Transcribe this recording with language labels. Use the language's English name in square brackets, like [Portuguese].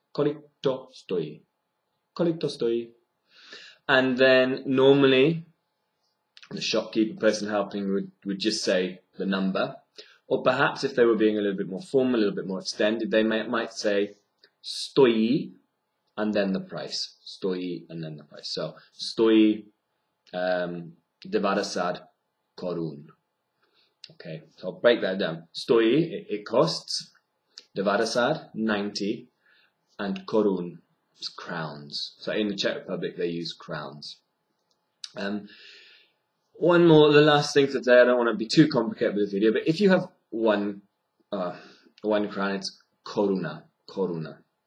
[Czech] Kolik to stojí? Kolik to stojí? [English] And then normally, the shopkeeper person helping would just say the number. Or perhaps if they were being a little bit more formal, a little bit more extended, they might say stojí and then the price. Stojí and then the price. [Czech] So stojí devadesát korun. [English] Okay, so I'll break that down. Stojí, it costs, devadesát, 90, and korun, it's crowns. So in the Czech Republic, they use crowns. One more, the last thing to say, I don't want to be too complicated with the video, but if you have one crown, it's [Czech] koruna, koruna.